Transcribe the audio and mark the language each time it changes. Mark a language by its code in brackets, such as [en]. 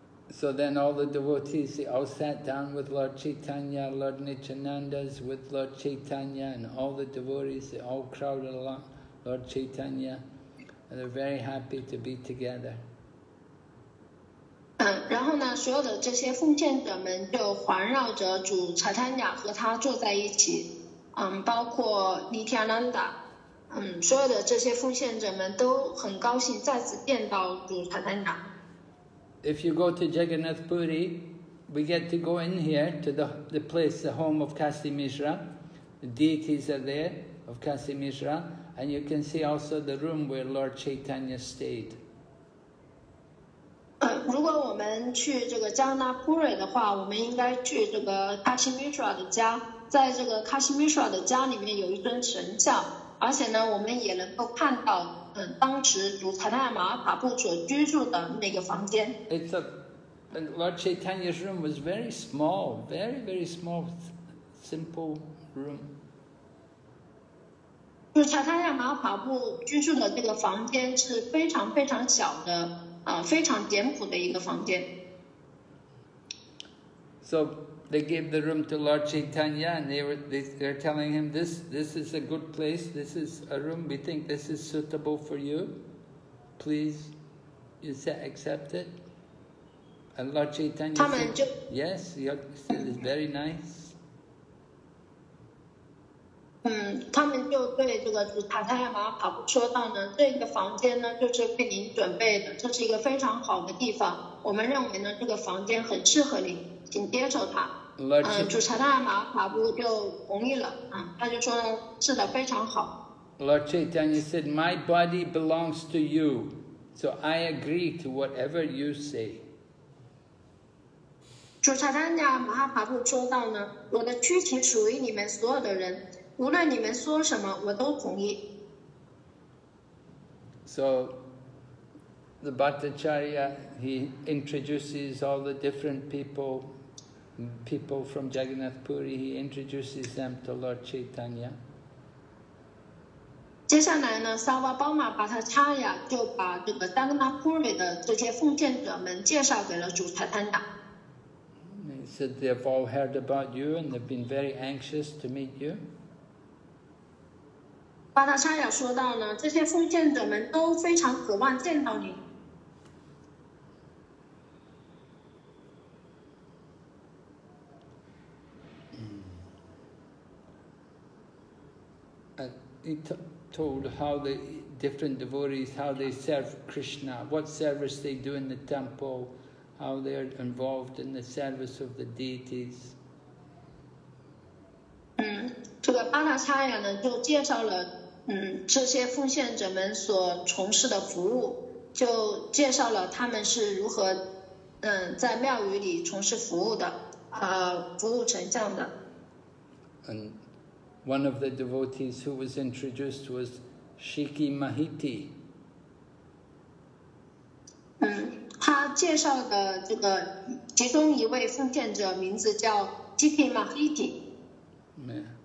[en] So then all the devotees, they all sat down with Lord Chaitanya, Lord Nityananda's with Lord Chaitanya, and all the devotees, they all crowded along Lord Chaitanya, and they're very happy to be together. [zh] 然后呢，所有的这些奉献者们就环绕着主查塔亚和他坐在一起，包括 Nityananda, 所有的这些奉献者们都很高兴再次见到主查塔亚。 [en] If you go to Jagannath Puri, we get to go in here to the place, the home of Kasi Mishra. The deities are there of Kasi Mishra, and you can see also the room where Lord Chaitanya stayed. [zh] 如果我们去这个加纳普瑞的话，我们应该去这个 Kasi Mishra 的家。在这个 Kasi Mishra 的家里面有一尊神像，而且呢，我们也能够看到。当时主查塔亚马哈帕布所居住的那个房间 [en] It's a Lord Chaitanya's room was very small, very very small, simple room. [zh] 主查塔亚马哈帕布居住的这个房间是非常非常小的，非常简朴的一个房间。 [en] So they gave the room to Lord Chaitanya, and they're telling him, this is a good place, this is a room, we think this is suitable for you. Please, you say, accept it. And Lord Chaitanya said, yes, he said, it's very nice. [zh] 他们就对这个塔塔亚马哈布说到呢，这个房间呢就是为您准备的，这是一个非常好的地方，我们认为呢这个房间很适合您，请接受它。 [en] Lord Lord Chaitanya said, "My body belongs to you, so I agree to whatever you say." [zh] 主查塔亚马哈帕布说到呢，我的躯体属于你们所有的人，无论你们说什么，我都同意。 [en] So. The Bhattacharya, he introduces all the different people from Jagannath Puri, he introduces them to Lord Chaitanya. [zh] 接下来呢 Sarvabhauma Bhattacharya 就把这个 Jagannath Puri 的这些奉献者们介绍给了主 Chaitanya. [en] He said they've all heard about you and they've been very anxious to meet you. [zh] 巴达沙亚说到呢，这些奉献者们都非常渴望见到你。 [en] He told how the different devotees, how they serve Krishna, what service they do in the temple, how they are involved in the service of the deities. [zh] 这个巴达沙亚呢就介绍了这些奉献者们所从事的服务，就介绍了他们是如何在庙宇里从事服务的，服务成像的。 [en] One of the devotees who was introduced was Shiki Mahiti. [zh] 他介绍的这个其中一位奉献者名字叫 Shiki Mahiti. [en] Yeah.